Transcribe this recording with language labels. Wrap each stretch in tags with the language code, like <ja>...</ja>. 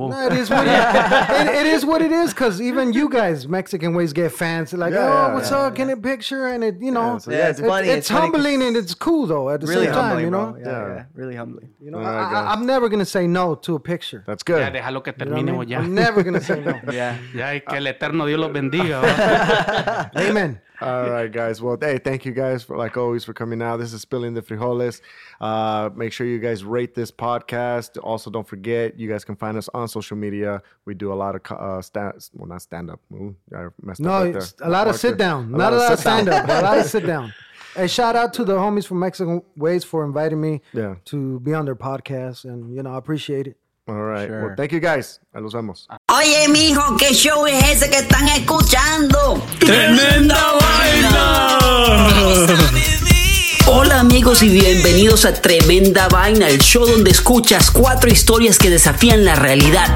<en>No, it is what it is, because even you guys, Mexican Ways, get fans. Like, what's up? Can I picture? And it, you know. It's funny, it's humbling, and it's cool, though, at the really same time, bro. You know? Yeah, really humbling. You know, I'm never going to say no to a picture. That's good. Yeah,</en> <es>déjalo que terminemos,</es> <en>you know, I'm never going to say no. Yeah,</en> <es>y que el eterno Dios los bendiga.</es> <en>Amen. All right, guys. Well, hey, thank you guys, like always, for coming out. This is Spilling the Frijoles. Make sure you guys rate this podcast. Also, don't forget, you guys can find us on social media. We do a lot of stand-up. A lot of sit-down. A lot of sit-down. Hey, shout-out to the homies from Mexican Ways for inviting me to be on their podcast. And, you know, I appreciate it. All right. Sure. Well, thank you, guys.</en> <es>Ahí los vemos. Oye, mijo, ¿qué show es ese que están escuchando? ¡Tremenda vaina! Hola, amigos, y bienvenidos a Tremenda Vaina, el show donde escuchas cuatro historias que desafían la realidad.</es>